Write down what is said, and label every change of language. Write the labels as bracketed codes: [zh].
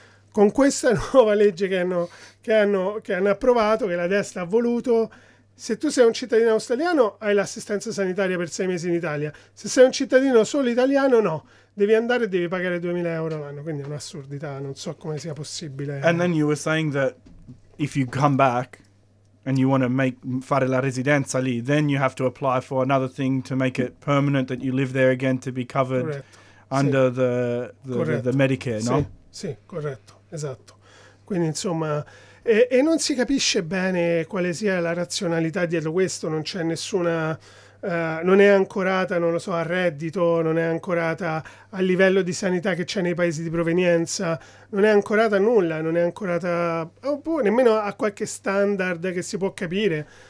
[it] Con questa nuova legge che hanno approvato, che la destra ha voluto, se tu sei un cittadino australiano hai l'assistenza sanitaria per 6 mesi in Italia, se sei un cittadino solo italiano no, devi andare e devi pagare 2.000 euro l'anno. Quindi è un'assurdità, non so come sia possibile. [en] And then you were saying that if you come back and you want to [it] fare la residenza lì, [en] then you have to apply for another thing to make it permanent, that you live there again to be covered. [it] Corretto. [en] Under the Medicare, no? [it] Sì. Sì, corretto, esatto. Quindi insomma, e non si capisce bene quale sia la razionalità dietro questo, non c'è nessuna, non è ancorata, non lo so, al reddito, non è ancorata al livello di sanità che c'è nei paesi di provenienza, non è ancorata a nulla, non è ancorata nemmeno a qualche standard che si può capire.